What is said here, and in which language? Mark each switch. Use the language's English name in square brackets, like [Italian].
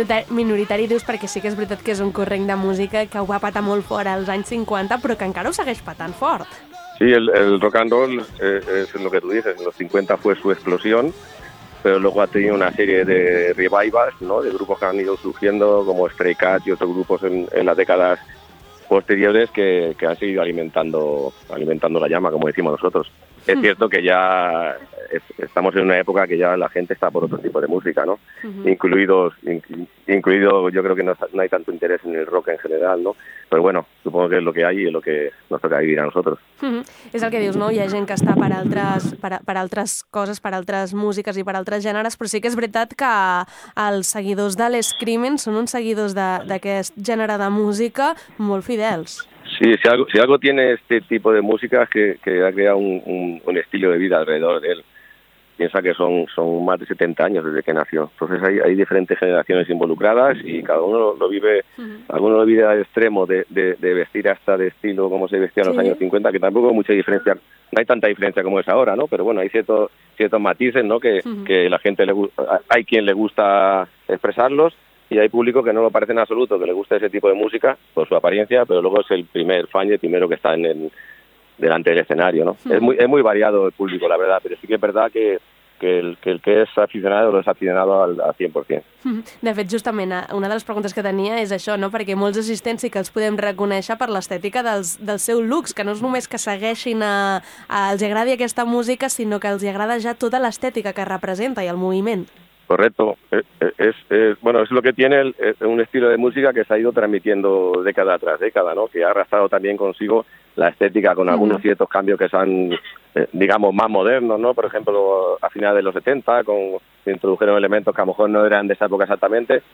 [Catalan] Minoritari dius perquè sí que és veritat que és un corrent de música que ho va patar molt fort als anys 50, però que encara ho segueix patant fort. [Spanish] Sí, el rock and roll es lo que tú dices, en los 50 fue su explosión, pero luego ha tenido una serie de revivals, ¿no?, de grupos que han ido surgiendo, como Stray Cat y otros grupos en las décadas posteriores que han seguido alimentando la llama, como decimos nosotros. Es cierto que ya estamos en una época que ya la gente está por otro tipo de música, ¿no? Uh-huh. Incluido, yo creo que no hay tanto interés en el rock en general, ¿no? Pero bueno, supongo que es lo que hay y es lo que nos toca vivir a nosotros. Uh-huh. [Catalan] És el que dius, no? Hi ha gent que està per altres coses, per altres músiques i per altres gèneres, però sí que és veritat que els seguidors de l'Screaming són uns seguidors d'aquest gènere de música molt fidels. [Spanish] Sí, si algo tiene este tipo de música es que ha creado un estilo de vida alrededor de él. Piensa que son más de 70 años desde que nació. Entonces hay diferentes generaciones involucradas y cada uno lo vive, uh-huh. Alguno lo vive al extremo de vestir hasta de estilo como se vestía en los años 50, que tampoco hay mucha diferencia, no hay tanta diferencia como es ahora, ¿no? Pero bueno, hay ciertos matices, ¿no? Que la gente hay quien le gusta expresarlos. Y hay público que no lo parece en absoluto, que le gusta ese tipo de música por su apariencia, pero luego es el primer fan y el primero que está delante del escenario, ¿no? Uh-huh. Es muy variado el público, la verdad, pero sí que es verdad que el que es aficionado lo es aficionado al 100%. Uh-huh. [Catalan] De fet, justament, una de les preguntes que tenia és això, ¿no? Perquè molts assistents sí que els podem reconèixer per l'estètica del seu looks, que no és només que segueixin els agradi aquesta música, sinó que els agrada ja tota l'estètica que representa i el moviment. [Spanish] Correcto. Es lo que tiene un estilo de música que se ha ido transmitiendo década tras década, ¿no? Que ha arrastrado también consigo la estética con algunos ciertos cambios que son, digamos, más modernos, ¿no? Por ejemplo, a finales de los 70 se introdujeron elementos que a lo mejor no eran de esa época exactamente.